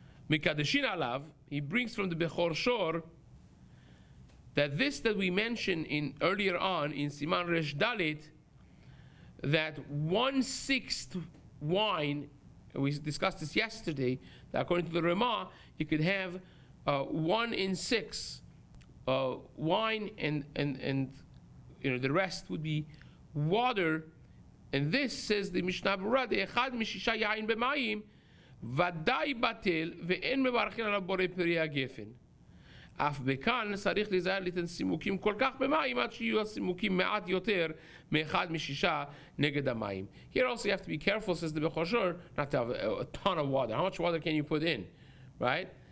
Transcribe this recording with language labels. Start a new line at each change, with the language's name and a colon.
Hebrew: Mikadeshin alav,
English: he brings from the Bechor Shor that this that we mentioned in earlier on in Siman Resh Dalit, that 1/6 wine, we discussed this yesterday, that according to the Rama, you could have 1/6 wine and you know the rest would be water. And this says the Mishna Berura, the
Hebrew: echad mishisha yain b'mayim. ודאי בטל ואין מברכין עליו בורא פרי הגפן אף בכאן צריך לזהר לתן סימוקים כל כך במים עד שיהיו הסימוקים מעט יותר מאחד משישה נגד המים.
English: Here also you have to be careful, says the Bechor Shor, not to have a ton of water. How much water can you put in, right?